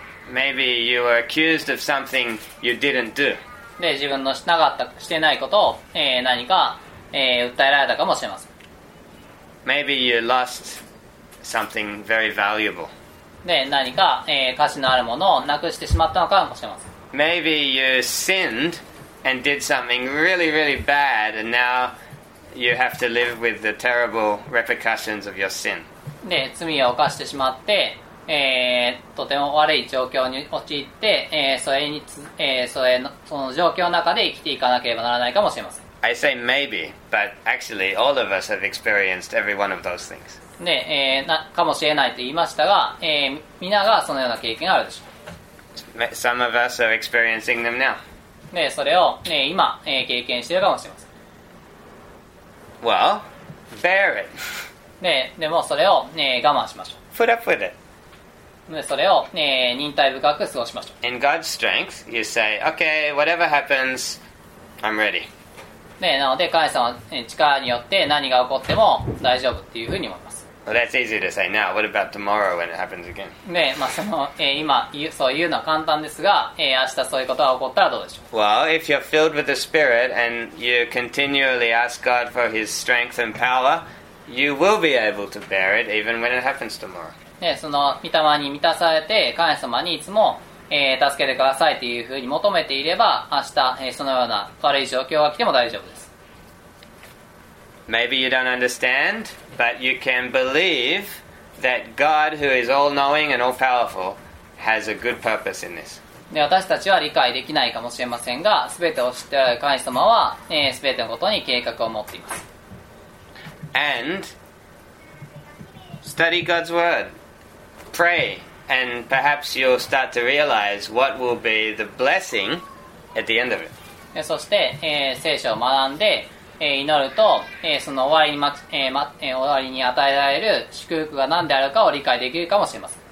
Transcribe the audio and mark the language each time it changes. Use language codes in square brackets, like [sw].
[en] Maybe you were accused of something you didn't do. [ja] で、自分のしてないことを、何か、訴えられたかもしれません。 [en] Maybe you lost something very valuable. [ja] で、何か、価値のあるものをなくしてしまったのかもしれません。 [en] Maybe you sinned and did something really, really bad, and now you have to live with the terrible repercussions of your sin. [ja] で、罪を犯してしまって、とても悪い状況に陥って、その状況の中で生きていかなければならないかもしれません。 [en] I say maybe, but actually all of us have experienced every one of those things. [ja] で、かもしれないと言いましたが、皆がそのような経験があるでしょう。 [en] Some of us are experiencing them now. [ja] で、それを、ね、今、経験しているかもしれません。 [en] Well, bear it. [ja] でもそれを、ね、我慢しましょう。 [en] Put up with it. [ja] で、それを、ね、忍耐深く過ごしましょう。 [en] In God's strength, you say, okay, whatever happens, I'm ready. [ja] で、なので、神様の力によって何が起こっても大丈夫っていうふうに思います。 [en] Well, that's easy to say now. What about tomorrow when it happens again? [ja] ね、まあその、今そういうのは簡単ですが、明日そういうことが起こったらどうでしょう。 [en] Well, if you're filled with the Spirit and you continually ask God for His strength and power, you will be able to bear it even when it happens tomorrow. [ja] ね、その御霊に満たされて神様にいつも、助けてくださいというふうに求めていれば、明日、そのような悪い状況が来ても大丈夫です。 [en] Maybe you don't understand, but you can believe that God, who is all-knowing and all-powerful, has a good purpose in this. [ja] 私たちは理解できないかもしれませんが、すべてを知っている神様は、すべてのことに計画を持っています。 [en] And study God's word. Pray, and perhaps you'll start to realize what will be the blessing at the end of it. [ja] そして、聖書を学んで、祈ると、その終わりに、終わりに与えられる祝福が何であるかを理解できるかもしれません。